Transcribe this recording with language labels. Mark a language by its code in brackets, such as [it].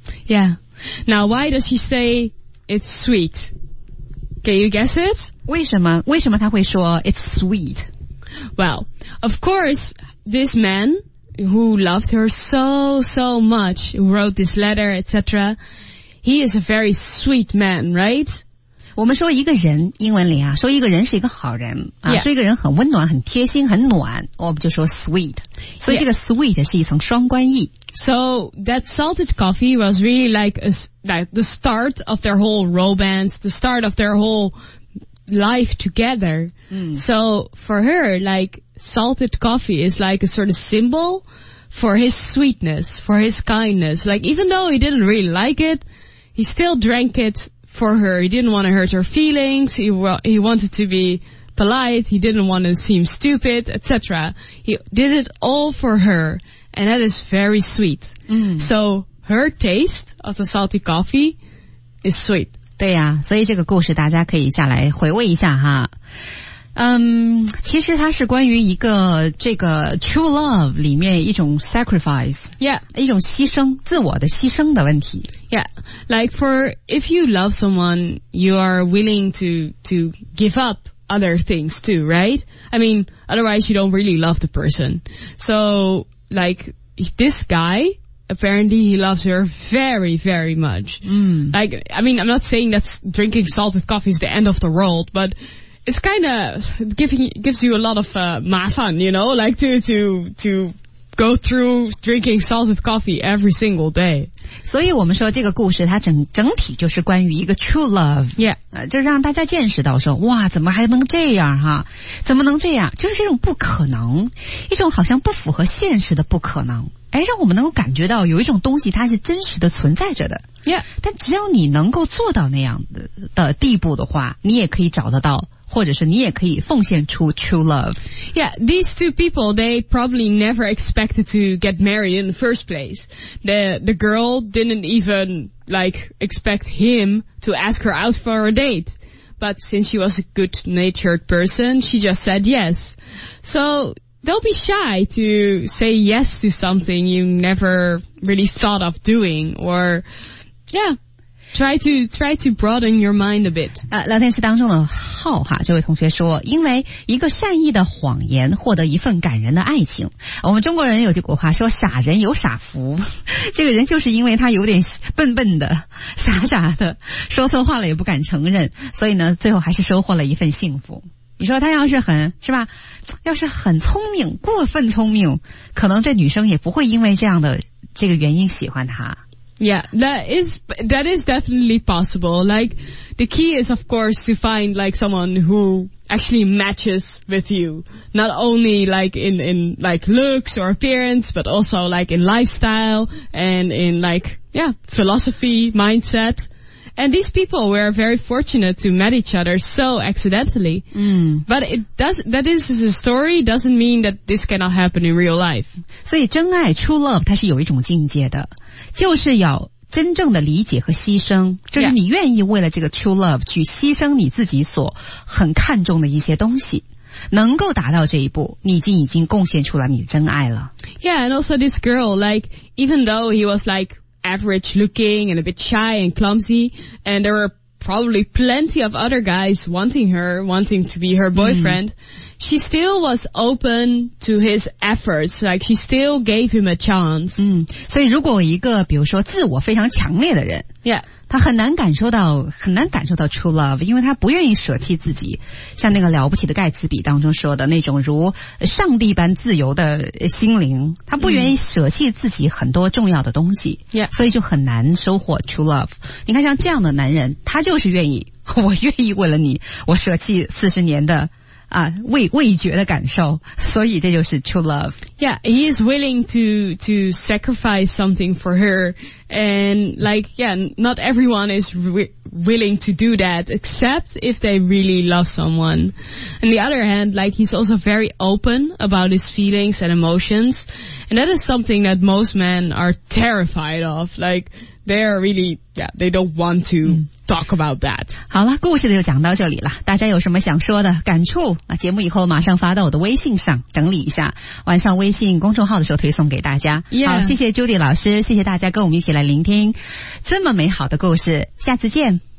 [en] Yeah. Now, why does she say it's sweet? Can you guess it? [zh] 为什么她会说 [en] it's sweet? Well, of course... This man, who loved her so, so much, who wrote this letter, etc., he is a very sweet man, right? [zh] 我们说一个人，英文里啊，说一个人是一个好人、 yeah. 说一个人很温暖，很贴心，很暖，我们就说 sweet. 所以这个 sweet 是一层双关意。 [en] So that salted coffee was really like the start of their whole romance, the start of their whole life together.、 Mm. So for her, like... Salted coffee is like a sort of symbol for his sweetness, for his kindness. Like, even though he didn't really like it, he still drank it for her. He didn't want to hurt her feelings. He wanted to be polite. He didn't want to seem stupid, etc. He did it all for her. And that is very sweet. Mm. So, her taste of the salty coffee is sweet. [zh] 对呀、啊、所以这个故事大家可以下来回味一下哈。其实它是关于一个这个 true love 里面一种 sacrifice, yeah, 一种牺牲，自我的牺牲的问题。 [en] Yeah, like for if you love someone, you are willing to give up other things too, right? I mean, otherwise you don't really love the person. So, like this guy, apparently he loves her very, very much.、 Mm. Like, I mean, I'm not saying that drinking salted coffee is the end of the world, but... It's kind of gives you a lot of, [zh] mafan, [en] you know, like to go through drinking salted coffee every single day. [zh] 所以我们说这个故事它整体就是关于一个 true love. Yeah. 就让大家见识到说哇怎么还能这样哈怎么能这样就是这种不可能一种好像不符合现实的不可能。哎让我们能够感觉到有一种东西它是真实的存在着的。 Yeah. 但只要你能够做到那样的地步的话你也可以找得到或者是你也可以奉献出 true love. [en] Yeah, these two people, they probably never expected to get married in the first place. The girl didn't even, like, expect him to ask her out for a date. But since she was a good-natured person, she just said yes. So, don't be shy to say yes to something you never really thought of doing, or, yeah. Try to broaden your mind a bit. [zh] 聊天室当中的浩哈这位同学说因为一个善意的谎言获得一份感人的爱情。我们中国人有句古话说傻人有傻福。这个人就是因为他有点笨笨的傻傻的说错话了也不敢承认所以呢最后还是收获了一份幸福。你说他要是很是吧要是很聪明过分聪明可能这女生也不会因为这样的这个原因喜欢他。 [en] Yeah, that is definitely possible. Like, the key is, of course, to find, like, someone who actually matches with you. Not only, like, in, like, looks or appearance, but also, like, in lifestyle and in, like, yeah, philosophy, mindset. And these people were very fortunate to met each other so accidentally. Mm. But that is a story doesn't mean that this cannot happen in real life. [zh] 所以真爱 true love, 它是有一种境界的。就是要真正的理解和牺牲就是你愿意为了这个 true love 去牺牲你自己所很看重的一些东西能够达到这一步你已经贡献出了你的真爱了 [en] Yeah, and also this girl, like, even though he was like average looking and a bit shy and clumsy and there were probably plenty of other guys wanting to be her boyfriend、mm. she still was open to his efforts like she still gave him a chance、 [zh] mm. 所以如果一个比如说自我非常强烈的人 Yeah. 他很难感受到 true love， 因为他不愿意舍弃自己，像那个了不起的盖茨比当中说的那种如上帝般自由的心灵，他不愿意舍弃自己很多重要的东西，所以就很难收获 true love。你看像这样的男人，他就是愿意，我愿意为了你我舍弃40年的啊味觉的感受，所以这就是 true love。 [en] Yeah, he is willing to sacrifice something for her, and like, yeah, not everyone is willing to do that except if they really love someone. On the other hand, like, he's also very open about his feelings and emotions, and that is something that most men are terrified of, like,They are really, yeah, they don't want to talk about that. [zh] 好了，故事就讲到这里了。大家有什么想说的感触，节目以后马上发到我的微信上整理一下，晚上微信公众号的时候推送给大家。 Yeah. 好，谢谢 Judy 老师，谢谢大家跟我们一起来聆听这么美好的故事，下次见。